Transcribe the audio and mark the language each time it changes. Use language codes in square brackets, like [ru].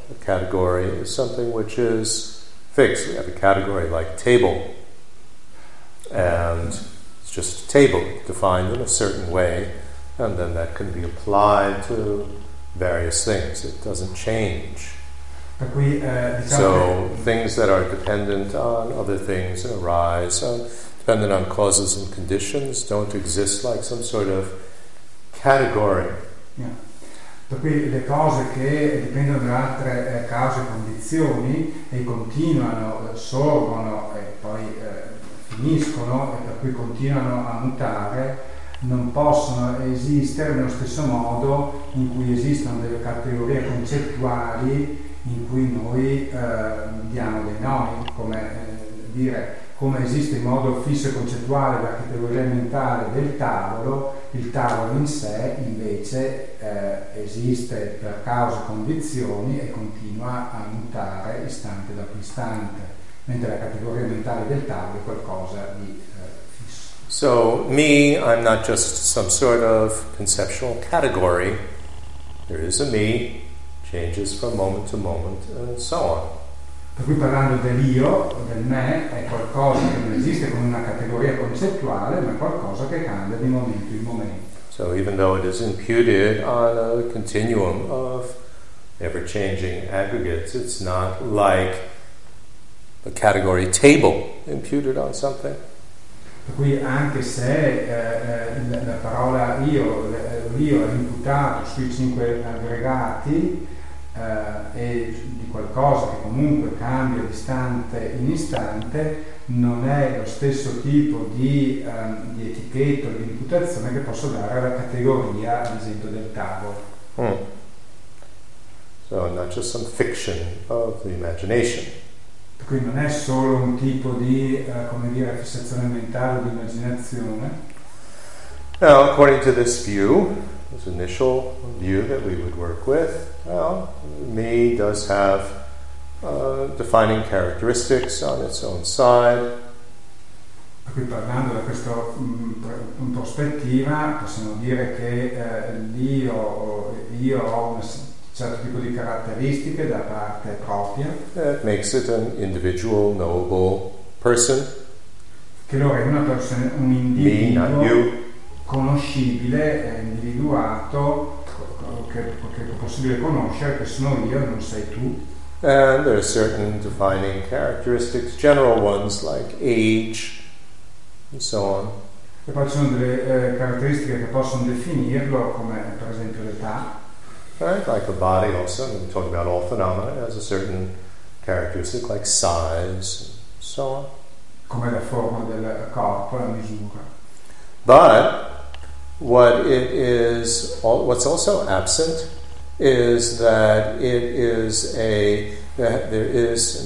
[en] A category is something which is fixed. We have a category like table, and it's just a table defined in a certain way, and then that can be applied to various things. It doesn't change. [it] Per cui, diciamo, [en] so things that are dependent on other things arise, dependent on causes and conditions, don't exist like some sort of category. Yeah. [it] Per cui le cose che dipendono da altre cause e condizioni e continuano, sorgono e poi finiscono e per cui continuano a mutare, non possono esistere nello stesso modo in cui esistono delle categorie concettuali in cui noi diamo dei nomi, come dire, come esiste in modo fisso e concettuale la categoria mentale del tavolo. Il tavolo in sé invece esiste per cause e condizioni e continua a mutare istante dopo istante, mentre la categoria mentale del tavolo è qualcosa di [en] So, me, I'm not just some sort of conceptual category. There is a me, changes from moment to moment, and so on. [it] Per cui parlando dell'io, del me, è qualcosa che non esiste come una categoria concettuale, ma è qualcosa che cambia di momento in momento. [en] So, even though it is imputed on a continuum of ever-changing aggregates, it's not like a category table imputed on something. [it] Per cui anche se la parola io, Dio è imputato sui cinque aggregati e di qualcosa che comunque cambia di istante in istante, non è lo stesso tipo di etichetta o di imputazione che posso dare alla categoria, ad esempio, del tavolo. Mm. [en] So not just some fiction of the imagination. [it] Quindi non è solo un tipo di, come dire, fissazione mentale o di immaginazione. [en] Now, according to this view, this initial view that we would work with, well, me does have defining characteristics on its own side. [it] Qui parlando da questa prospettiva, possiamo dire che io ho un certo tipo di caratteristiche da parte propria. [en] That makes it an individual, noble person. [it] Che lo rende una persona, un individuo. [en] Me, not you. [it] Conoscibile, individuato, che è possibile conoscere, che sono io, non sei tu. [en] And there are certain defining characteristics, general ones like age and so on. [it] E poi ci sono delle caratteristiche che possono definirlo, come per esempio l'età. [en] Right, like a body also, we talk about all phenomena, has a certain characteristic like size and so on. [it] Come la forma del corpo, la misura. [en] But what it is, what's also absent, is that it is a that there is.